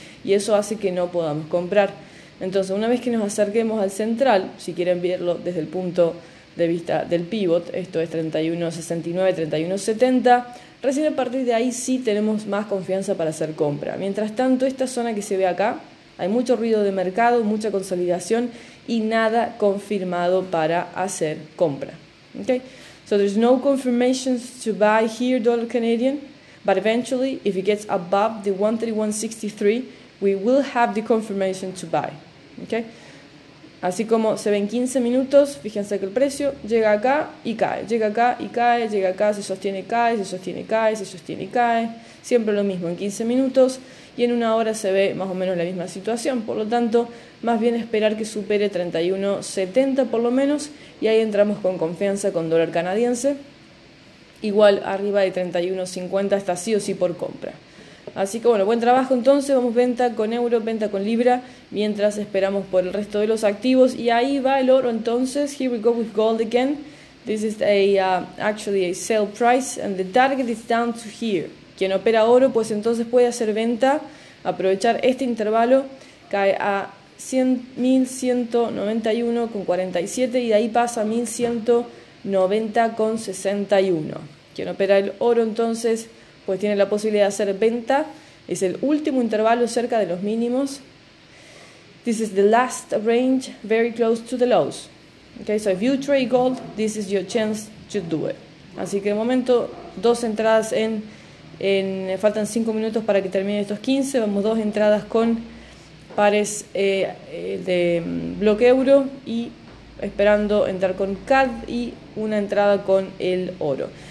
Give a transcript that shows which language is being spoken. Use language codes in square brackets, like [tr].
[es] Y eso hace que no podamos comprar. Entonces, una vez que nos acerquemos al central, si quieren verlo desde el punto de vista del pivot, esto es 31.69, 31.70, recién a partir de ahí sí tenemos más confianza para hacer compra. Mientras tanto, esta zona que se ve acá, hay mucho ruido de mercado, mucha consolidación y nada confirmado para hacer compra. [en] Okay? So there's no confirmations to buy here, dollar Canadian, but eventually if it gets above the 131.63, we will have the confirmation to buy. Okay? [es] Así como se ven 15 minutos, fíjense que el precio llega acá y cae, llega acá y cae, llega acá, se sostiene, cae, se sostiene, cae, se sostiene y cae. Siempre lo mismo en 15 minutos y en una hora se ve más o menos la misma situación. Por lo tanto, más bien esperar que supere 31.70 por lo menos y ahí entramos con confianza con dólar canadiense. Igual arriba de 31.50 está sí o sí por compra. Así que bueno, buen trabajo entonces, vamos venta con euro, venta con libra, mientras esperamos por el resto de los activos. Y ahí va el oro entonces, [en] here we go with gold again. This is actually a sale price and the target is down to here. [es] Quien opera oro pues entonces puede hacer venta, aprovechar este intervalo, cae a 1191,47 y de ahí pasa a 1190,61. Quien opera el oro entonces pues tiene la posibilidad de hacer venta. Es el último intervalo cerca de los mínimos. [en] This is the last range, very close to the lows. Okay, so if you trade gold, this is your chance to do it. [es] Así que de momento, dos entradas en faltan 5 minutos para que termine estos 15. Vamos dos entradas con pares de bloque euro y esperando entrar con CAD y una entrada con el oro.